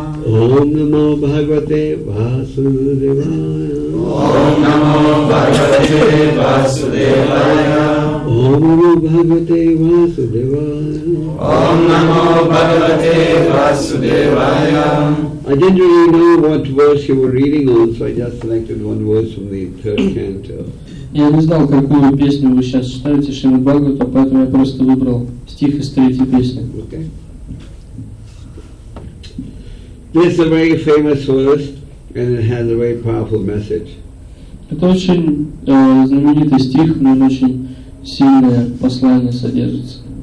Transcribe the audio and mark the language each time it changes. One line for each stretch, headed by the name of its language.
Sanskrit: Ом намо Бхагавате Васудевая. Ом намо Бхагавате Васудевая. Ом намо Бхагавате Васудевая. Ом намо Бхагавате Васудевая.
English: I didn't really know what verse you were reading on, so I just selected one verse from the third canto.
Russian: Я не знал, какую песню вы сейчас читаете, Шримад Бхагаватам, поэтому я просто выбрал стих из третьей песни.
English: This is a very famous verse, and it has a very powerful message.
Russian: Это очень знаменитый стих, но очень сильное послание содержится.